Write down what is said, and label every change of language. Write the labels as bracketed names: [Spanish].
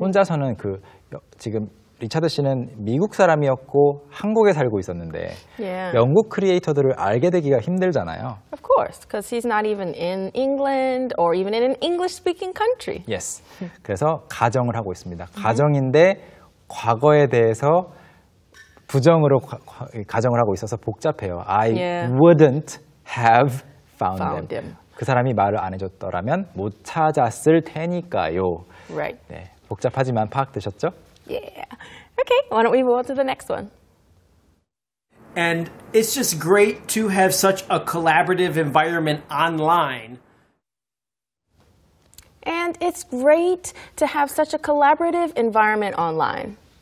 [Korean] 혼자서는 그 지금 리차드 씨는 미국 사람이었고 한국에 살고 있었는데 yeah. 영국 크리에이터들을 알게 되기가 힘들잖아요. [English] Of course, because he's not even in England or even in an English-speaking country. Yes. [Korean] 그래서 가정을 하고 있습니다. 가정인데 과거에 대해서 부정으로 가정을 하고 있어서 복잡해요. [English] I yeah. wouldn't have found them. Found him. [Korean] 그 사람이 말을 안 해줬더라면 못 찾았을 테니까요. [English] Right. [Korean] 네, 복잡하지만 파악되셨죠? [English] Yeah. Okay, why don't we move on to the next one? And it's just great to have such a collaborative environment online. And it's great to have such a collaborative environment online.